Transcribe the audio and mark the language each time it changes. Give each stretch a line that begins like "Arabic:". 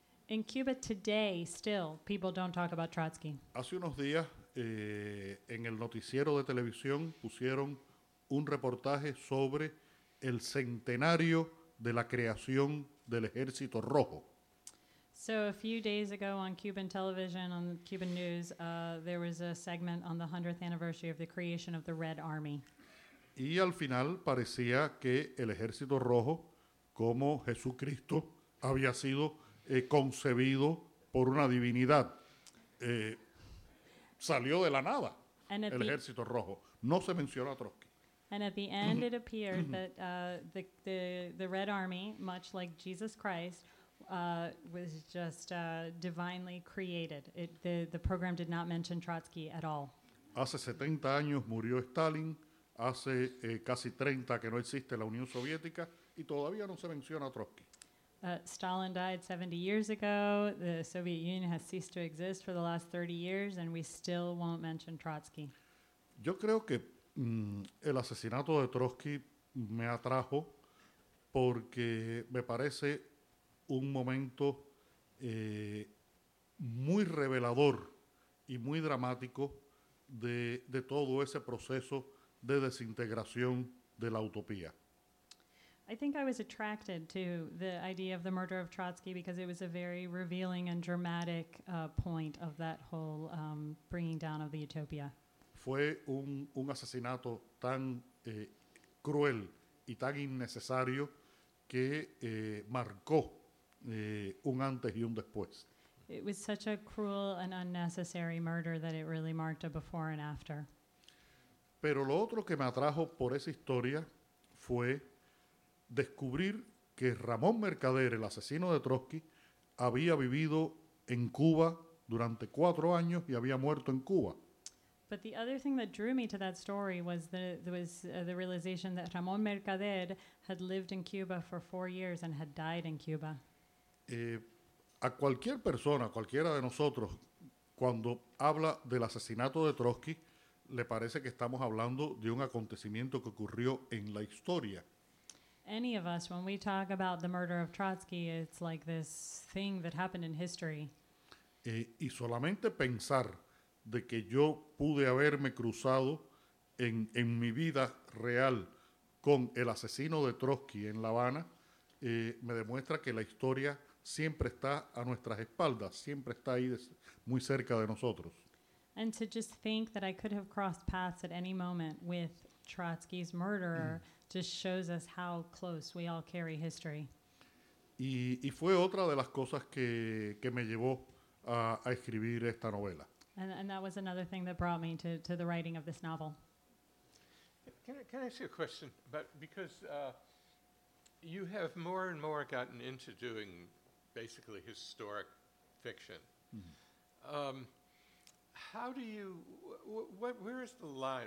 English: In Cuba today, still, people don't talk about Trotsky.
Spanish: Hace unos días, en el noticiero de televisión pusieron un reportaje sobre el centenario de la creación del Ejército Rojo.
English: So a few days ago on Cuban television, on Cuban news, there was a segment on the 100th anniversary of the creation of the Red Army.
Spanish: Y al final parecía que el Ejército Rojo, como Jesucristo, había sido concebido por una divinidad. Salió de la nada el Ejército Rojo. No se mencionó a Trotsky.
English: And at the end, it appeared that the Red Army, much like Jesus Christ, was just divinely created. The program did not mention Trotsky at all.
Spanish: Hace 70 años murió Stalin. Hace casi 30 que no existe la Unión Soviética y todavía no se menciona Trotsky.
English: Stalin died 70 years ago. The Soviet Union has ceased to exist for the last 30 years, and we still won't mention Trotsky.
Spanish: Yo creo que el asesinato de Trotsky me atrajo porque me parece un momento muy revelador y muy dramático de todo ese proceso de desintegración de la utopía.
English: I think I was attracted to the idea of the murder of Trotsky because it was a very revealing and dramatic point of that whole bringing down of the utopia.
Spanish: Fue un asesinato tan cruel y tan innecesario que marcó un antes y un después.
English: It was such a cruel and unnecessary murder that it really marked a before and after.
Spanish: Pero lo otro que me atrajo por esa historia fue descubrir que Ramón Mercader, el asesino de Trotsky, había vivido en Cuba durante 4 años y había muerto en Cuba.
English: But the other thing that drew me to that story was the realization that Ramón Mercader had lived in Cuba for 4 years and had died in Cuba.
Spanish: A cualquier persona, cualquiera de nosotros, cuando habla del asesinato de Trotsky, le parece que estamos hablando de un acontecimiento que ocurrió en la historia.
English: Any of us, when we talk about the murder of Trotsky, it's like this thing that happened in history.
Spanish: Y solamente pensar de que yo pude haberme cruzado en mi vida real con el asesino de Trotsky en La Habana, me demuestra que la historia siempre está a nuestras espaldas, siempre está ahí muy cerca de nosotros.
English: And to just think that I could have crossed paths at any moment with Trotsky's murderer just shows us how close we all carry history.
Spanish: Y fue otra de las cosas que me llevó a escribir esta novela.
English: And that was another thing that brought me to the writing of this novel. Can I ask you a question? But because you have more and more gotten into doing basically historic fiction. Mm-hmm. How do you, where is the line?